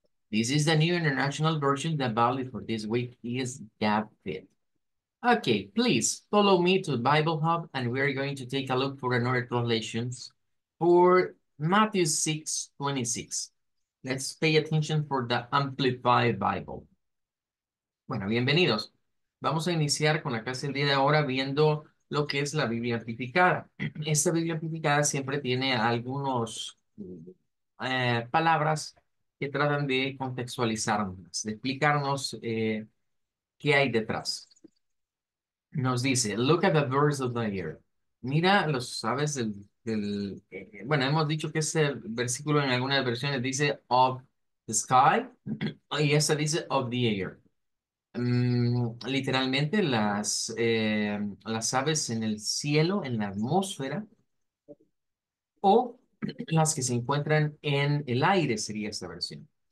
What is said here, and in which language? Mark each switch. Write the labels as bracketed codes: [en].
[en] This is the New International Version. The Bible for this week is GapFit. Okay, please follow me to Bible Hub, and we are going to take a look for another translations for Matthew 6:26. Let's pay attention for the Amplified Bible. [es] Bueno, bienvenidos. Vamos a iniciar con la clase del día de ahora viendo lo que es la Biblia Amplificada. Esta Biblia Amplificada siempre tiene algunos palabras que tratan de contextualizarnos, de explicarnos qué hay detrás. Nos dice, [en] look at the birds of the air. [es] Mira los aves bueno, hemos dicho que ese versículo en algunas versiones dice of the sky y esta dice of the air. Literalmente las aves en el cielo, en la atmósfera, o las que se encuentran en el aire sería esta versión.